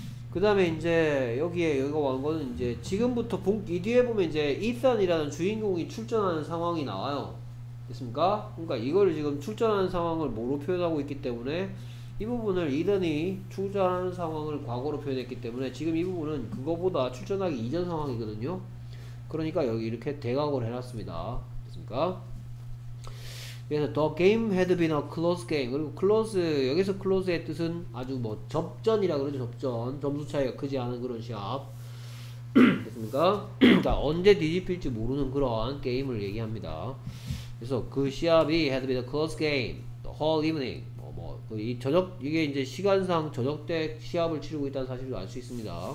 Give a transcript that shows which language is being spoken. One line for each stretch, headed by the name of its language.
Korean: 그 다음에 이제 여기가 온 거는 이제 지금부터 이 뒤에 보면 이제 ethan이라는 주인공이 출전하는 상황이 나와요. 됐습니까? 그러니까 이거를 지금 출전하는 상황을 뭐로 표현하고 있기 때문에 이 부분을 이든이 출전하는 상황을 과거로 표현했기 때문에 지금 이 부분은 그거보다 출전하기 이전 상황이거든요. 그러니까 여기 이렇게 대각으로 해놨습니다. 됐습니까? 그래서
English: the game had been a close game.
Korean: 그리고 close 여기서 close의 뜻은 아주 뭐 접전이라 그러죠. 접전. 점수 차이가 크지 않은 그런 시합. 됐습니까? 그러니까 언제 뒤집힐지 모르는 그런 게임을 얘기합니다. 그래서 그 시합이
English: had been a close game the whole evening.
Korean: 뭐, 그 이 저녁, 이게 이제 시간상 저녁 때 시합을 치르고 있다는 사실도 알 수 있습니다.